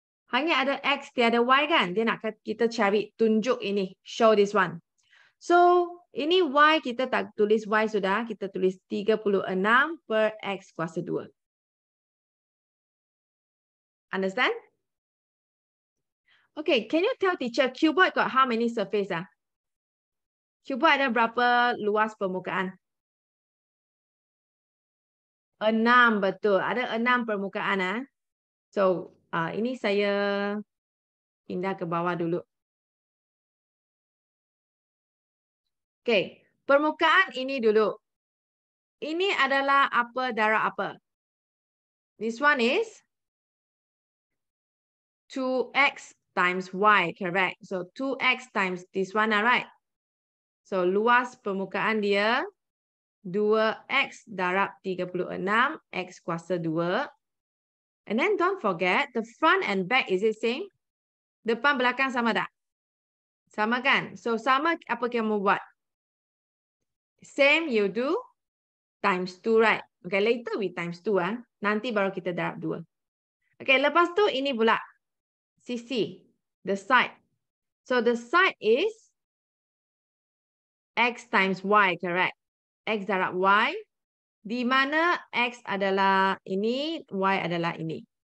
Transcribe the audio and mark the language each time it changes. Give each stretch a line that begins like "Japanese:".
Malay: Hanya ada x, tiada y kan? Dia nak kita cari, tunjuk ini, show this one. So, ini y, kita tak tulis y sudah. Kita tulis 36 per x kuasa 2.
English: Understand? Okay, can you tell teacher, cuboid got how many surface? Ah?
Malay: Cuboid ada berapa luas permukaan? 6, betul. Ada 6 permukaan. Ah. So, ini saya pindah ke bawah dulu. Okay, permukaan ini dulu. Ini adalah apa darab apa?
English: This one is 2x times y, correct? So 2x times this one, right? So
Malay: So luas permukaan dia 2x darab 36 x kuasa 2.
English: And then don't forget, the front and back, is it same?
Malay: Depan belakang sama tak? Sama kan? So sama apa kamu buat?
English: Same you do times 2, right? Okay, later we times 2.
Malay: Nanti baru kita darab 2. Okay, lepas tu ini pula.
English: CC, the side. So the side is x times y, correct?
Malay: X darab y. Di mana x adalah ini, y adalah ini.